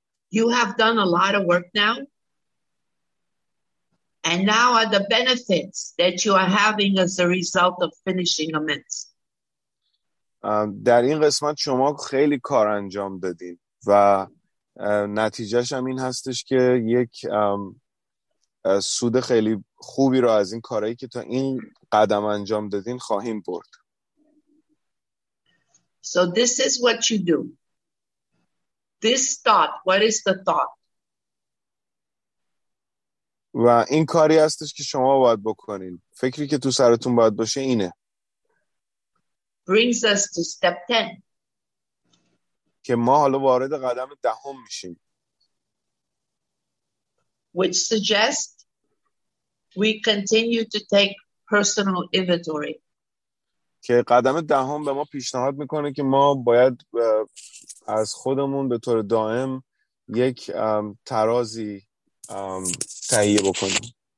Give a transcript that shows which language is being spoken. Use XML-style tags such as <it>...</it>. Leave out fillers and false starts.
<en>You have done a lot of work now. And now are the benefits that you are having as a result of finishing amends.</en> <fa>در این قسمت شما خیلی کار انجام دادین و نتیجهش هم این هستش که یک سود خیلی خوبی رو از این کارهایی که تا این قدم انجام دادین خواهیم برد.</fa> <en>So this is what you do. This thought, what is the thought?</en> <fa>و این کاری هستش که شما باید بکنین. فکری که تو سرتون باید باشه اینه.</fa> <en>Brings us to step 10.</en> <fa>که ما حالا وارد قدم دهم میشیم.</fa> <en>Which suggests we continue to take personal inventory.</en> <fa>که قدم دهم به ما پیشنهاد میکنه که ما باید از خودمون به طور دائم یک ترازی تهیه بکنیم.</fa>